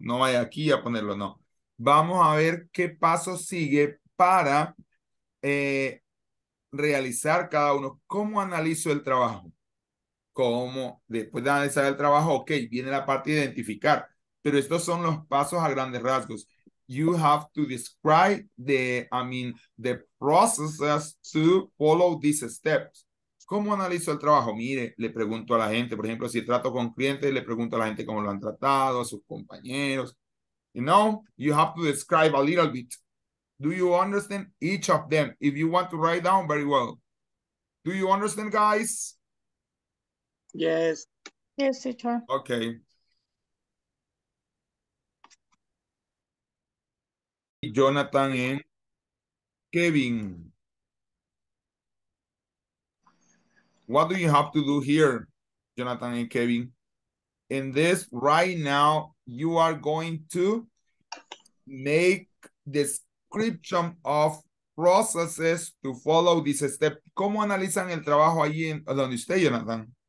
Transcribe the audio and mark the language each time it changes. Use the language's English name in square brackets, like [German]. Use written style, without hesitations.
[Spanish] No vaya aquí a ponerlo, no. Vamos a ver qué paso sigue para realizar cada uno. ¿Cómo analizo el trabajo? Como después de analizar el trabajo, ok, viene la parte de identificar. Pero estos son los pasos a grandes rasgos. [English] You have to describe the processes to follow these steps. [Spanish] ¿Cómo analizo el trabajo? Mire, le pregunto a la gente, por ejemplo, si trato con clientes, le pregunto a la gente cómo lo han tratado, a sus compañeros. [English] You know, you have to describe a little bit. Do you understand each of them? If you want to write down, very well. Do you understand, guys? Yes. Yes, teacher. Okay. Jonathan and Kevin. What do you have to do here, Jonathan and Kevin? In this right now, you are going to make description of processes to follow this step. [Spanish] ¿Cómo analizan el trabajo ahí en donde usted, Jonathan?